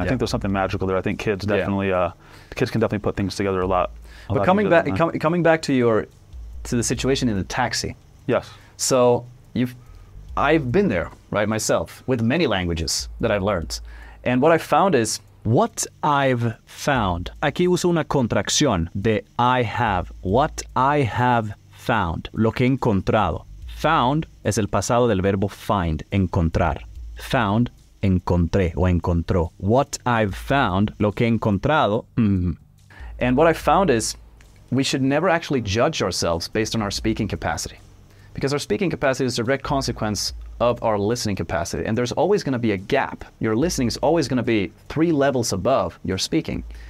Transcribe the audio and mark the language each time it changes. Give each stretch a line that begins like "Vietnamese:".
English: I think there's something magical there. I think kids definitely, kids can definitely put things together a lot. But coming back to the situation in the taxi. Yes. So I've been there, right, myself, with many languages that I've learned. And what I found is... What I've found.
Spanish: Aquí uso una contracción de
English: I have. What I have found.
Spanish: Lo que he encontrado. Found es el pasado del verbo find, encontrar. Found, encontré o encontró.
English: What I've found,
Spanish: lo que he encontrado.
English: And what I found is we should never actually judge ourselves based on our speaking capacity. Because our speaking capacity is a direct consequence of our listening capacity. And there's always going to be a gap. Your listening is always going to be three levels above your speaking.